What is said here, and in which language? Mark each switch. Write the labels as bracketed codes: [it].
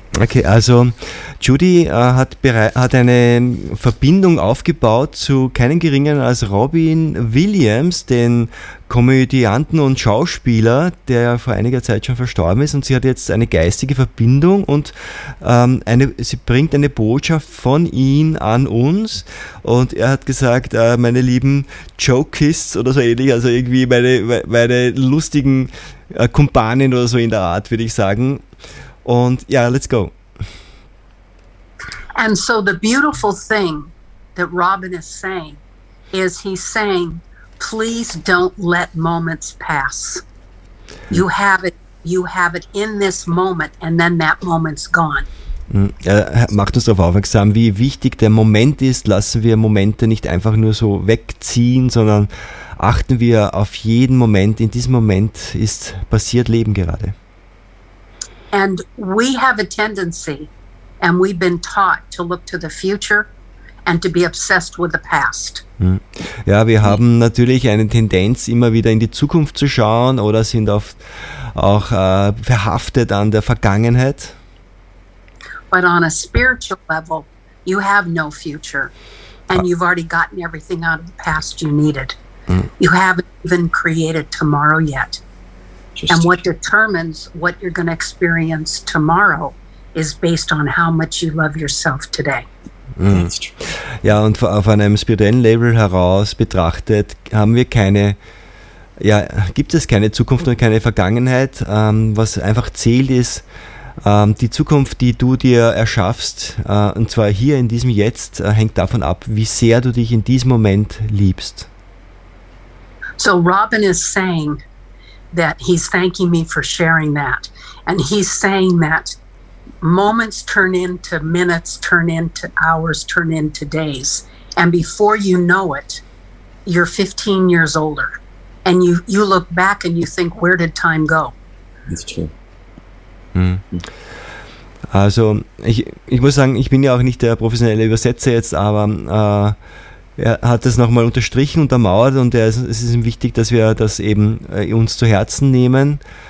[de] Okay, also Judy hat eine Verbindung aufgebaut zu keinen geringeren als Robin Williams, den Komödianten und Schauspieler, der vor einiger Zeit schon verstorben ist, und sie hat jetzt eine geistige Verbindung und sie bringt eine Botschaft von ihm an uns, und er hat gesagt, meine lieben Jokists oder so ähnlich, also irgendwie meine lustigen Kumpanen oder so in der Art, würde ich sagen. [en] And yeah, let's go. And so the beautiful thing that Robin is saying is he's saying, please don't let moments pass. You have it in this moment, and then that moment's gone. [de] Er macht uns darauf aufmerksam, wie wichtig der Moment ist. Lassen wir Momente nicht einfach nur so wegziehen, sondern achten wir auf jeden Moment. In diesem Moment ist passiert Leben gerade. [en] And we have a tendency, and we've been taught, to look to the future and to be obsessed with the past. [de] Ja, wir haben natürlich eine Tendenz, immer wieder in die Zukunft zu schauen, oder sind oft auch verhaftet an der Vergangenheit. [en] But on a spiritual level, you have no future, and you've already gotten everything out of the past you needed. You haven't even created tomorrow yet. And what determines what you're going to experience tomorrow is based on how much you love yourself today. [de] Ja, und auf einem spirituellen Level heraus betrachtet, haben wir keine, ja, gibt es keine Zukunft und keine Vergangenheit. Was einfach zählt, ist die Zukunft, die du dir erschaffst, und zwar hier in diesem Jetzt, hängt davon ab, wie sehr du dich in diesem Moment liebst. [en] So Robin is saying that he's thanking me for sharing that. And he's saying that moments turn into minutes, turn into hours, turn into days. And before you know it, you're 15 years older. And you look back and you think, where did time go? That's true. [de] Also, ich muss sagen, ich bin ja auch nicht der professionelle Übersetzer jetzt, aber er hat das nochmal unterstrichen, untermauert, und es ist ihm wichtig, dass wir das eben uns zu Herzen nehmen.